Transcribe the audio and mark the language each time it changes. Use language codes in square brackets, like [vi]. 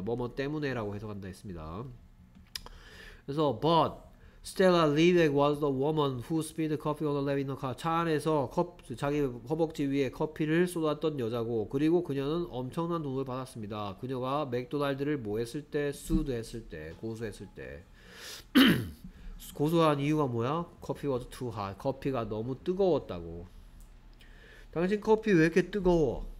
[ko] 뭐뭐 때문에라고 해석한다 했습니다. [en] 그래서 but Stella Liebeck was the woman who spilled coffee on the lap in the car. [ko] 차 안에서 자기 허벅지 위에 커피를 쏟았던 여자고 그리고 그녀는 엄청난 돈을 받았습니다. 그녀가 맥도날드를 뭐 했을 때 sued 했을 때 고소했을 때 고소한 이유가 뭐야? [en] Coffee was too hot. [ko] 커피가 너무 뜨거웠다고. 당신 커피 왜 이렇게 뜨거워?